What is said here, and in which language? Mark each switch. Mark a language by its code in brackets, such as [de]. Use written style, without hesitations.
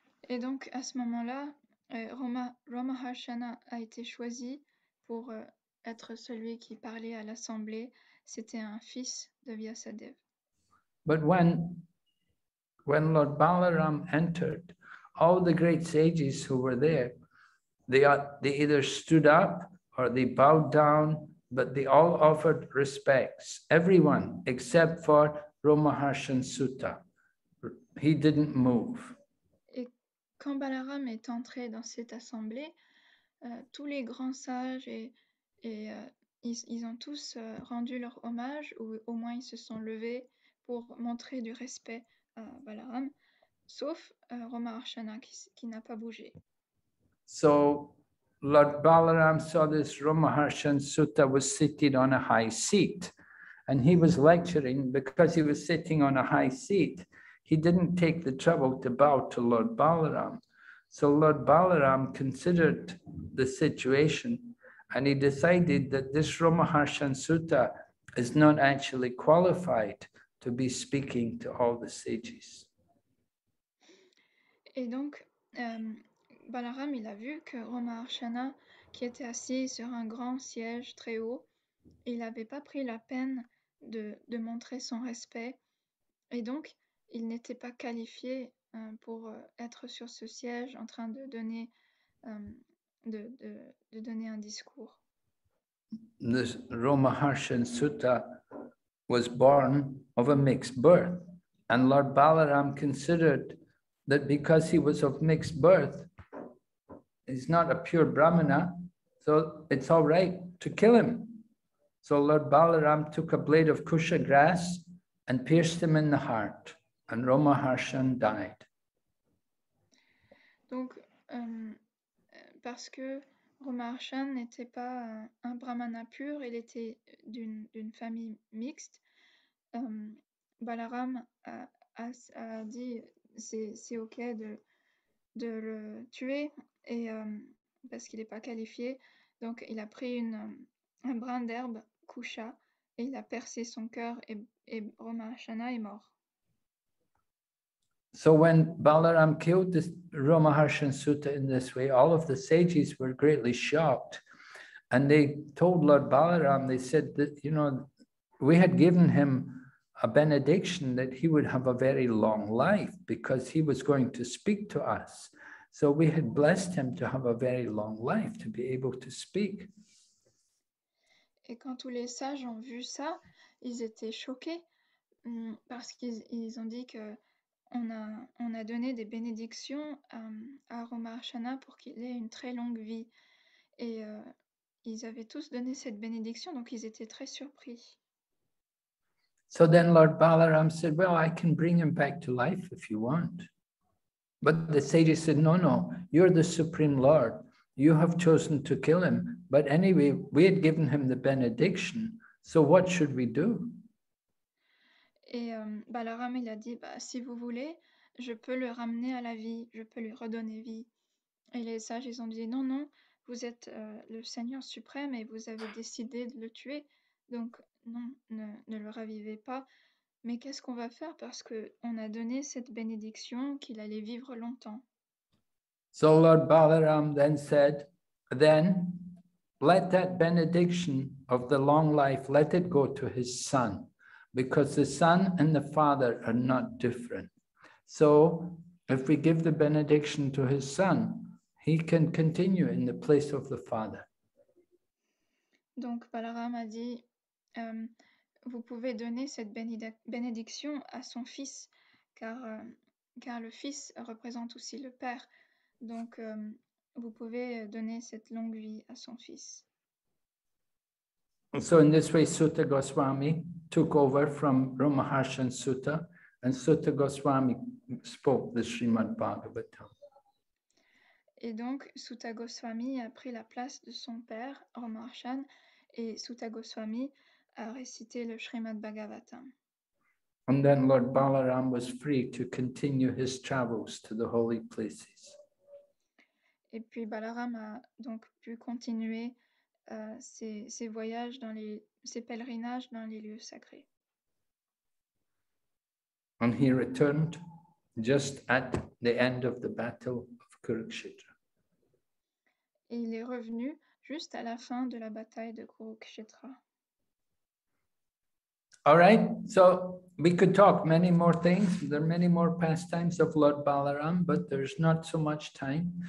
[fr] Et donc, à ce moment-là, Romaharshana a été choisi pour être celui qui parlait à l'assemblée. C'était un fils de Vyasadeva. [en] But when Lord Balaram entered, all the great sages who were there, they either stood up or they bowed down, but they all offered respects. Everyone except for Romaharshan Sutta, he didn't move. [fr] Et quand Balaram est entré dans cette assemblée, tous les grands sages ils ont tous rendu leur hommage ou au moins ils se sont levés pour montrer du respect à Balaram, sauf Romaharshana qui n'a pas bougé. [en] So Lord Balaram saw this Romaharshan Sutta was sitting on a high seat and he was lecturing because he was sitting on a high seat. He didn't take the trouble to bow to Lord Balaram. So Lord Balaram considered the situation and he decided that this Romaharshan Sutta is not actually qualified to be speaking to all the sages. [fr] Et donc, Balaram, il a vu que Romaharshana, qui était assis sur un grand siège très haut, il n'avait pas pris la peine de montrer son respect. Et donc, il n'était pas qualifié pour être sur ce siège en train de donner un discours. [en] The Romaharshan Sutta was born of a mixed birth. And Lord Balaram considered that because he was of mixed birth, he's not a pure Brahmana, so it's all right to kill him. So Lord Balaram took a blade of kusha grass and pierced him in the heart, and Romaharshan died. [fr] Donc, parce que Romaharshan n'était pas un Brahmana pur, il était d'une famille mixte, Balaram a dit c'est ok de le tuer. Et parce qu'il n'est pas qualifié, donc il a pris un brin d'herbe, Kusha, et il a percé son cœur et Romaharshana est mort. [en] So when Balaram killed this Romaharshan Sutta in this way, all of the sages were greatly shocked. And they told Lord Balaram, they said that, you know, we had given him a benediction that he would have a very long life because he was going to speak to us. So we had blessed him to have a very long life, to be able to speak. [fr] Et quand tous les sages ont vu ça, ils étaient choqués parce qu'ils ont dit que on a donné des bénédictions à Romaharshana pour qu'il ait une très longue vie. Et ils avaient tous donné cette bénédiction, donc ils étaient très surpris. [en] So then Lord Balaram said, well, I can bring him back to life if you want. But the sages said, no, no, you're the Supreme Lord. You have chosen to kill him. But anyway, we had given him the benediction. So what should we do? [fr] Et Balaram, il a dit, si vous voulez, je peux le ramener à la vie. Je peux lui redonner vie. Et les sages, ils ont dit, non, non, vous êtes le Seigneur Suprême et vous avez décidé de le tuer. Donc non, ne le ravivez pas. Mais qu'est-ce qu'on va faire parce qu'on a donné cette bénédiction qu'il allait vivre longtemps. [en] So Lord Balaram then said, then Let that benediction of the long life, let it go to his son, because the son and the father are not different. So if we give the benediction to his son, he can continue in the place of the father. [fr] Donc Balaram a dit, vous pouvez donner cette bénédiction à son fils, car le fils représente aussi le père. Donc vous pouvez donner cette longue vie à son fils. [en] So in this way, Sutta Goswami took over from Ramaharshan Sutta, and Sutta Goswami spoke the Srimad Bhagavatam. [fr] Et donc, Sutta Goswami a pris la place de son père, Ramaharshan, et Sutta Goswami a récité le Srimad Bhagavatam. [en] And then Lord Balaram was free to continue his travels to the holy places. [fr] Et puis Balaram a donc pu continuer ses voyages, ses pèlerinages dans les lieux sacrés. [en] And he returned just at the end of the battle of Kurukshetra. [fr] Et il est revenu juste à la fin de la bataille de Kurukshetra. [en] All right, so we could talk many more things. There are many more pastimes of Lord Balaram, but there's not so much time.